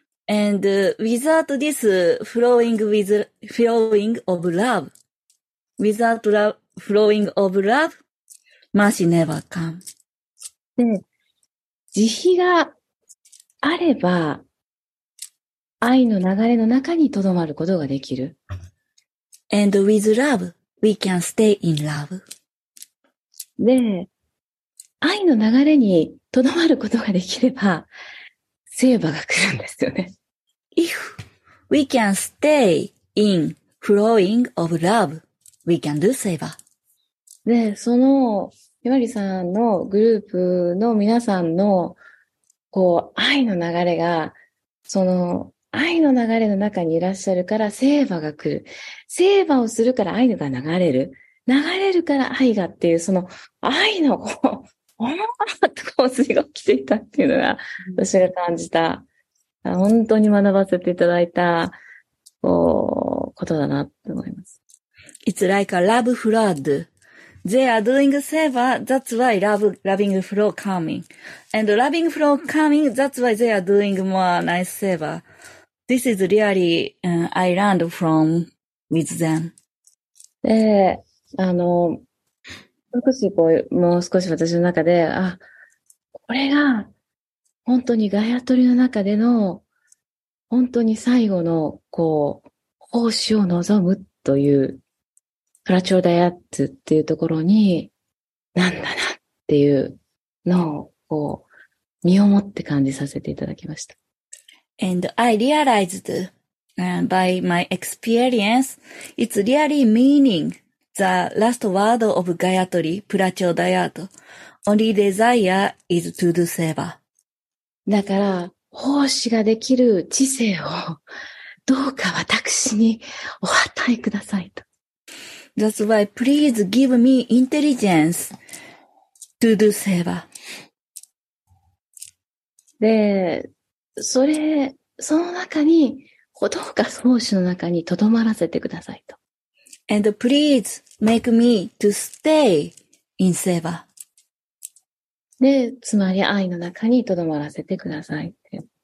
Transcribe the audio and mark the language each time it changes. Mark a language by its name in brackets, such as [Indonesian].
[English] And without this flowing of love, without love, flowing of love, mercy never come. [Japanese] 慈悲があれば、愛の流れの中に留まることができる。 [English] And with love, we can stay in love. [Japanese] で、愛の流れに留まることができれば、セーバーが来るんですよね。 [English] If we can stay in flowing of love, we can do セーバー。 [Japanese] で、その、ひまりさんのグループの皆さんの、こう、愛の流れが、その、愛の流れの中にいらっしゃるから聖話が来る。聖話をするから愛が流れる。流れるから愛がっていう、その愛のこう、おもーってこう、すごく来ていたっていうのが、私が感じた、本当に学ばせていただいた、こう、ことだなって思います。 [English] It's like a love flood. They are doing 聖話, that's why loving flow coming. And loving flow coming, that's why they are doing more nice 聖話. This is really, I learned from with them. [Japanese] で、少しこう、もう少し私の中で、あ、これが、本当にガヤトリの中での、本当に最後の、こう、奉仕を望むという、プラチョダヤッツっていうところに、なんだなっていうのを、こう、身をもって感じさせていただきました。 [English] And I realized, by my experience, it's really meaning the last word of Gayatri, Prachodayato. Only desire is to do seva. [Japanese] だから、奉仕ができる知性をどうか私にお与えくださいと。 [English] That's why please give me intelligence to do seva. [Japanese] で、それ、その中に、どうか奉仕の中に留まらせてくださいと。 [English] And please make me to stay in seva. [Japanese] で、つまり愛の中に留まらせてくださいって。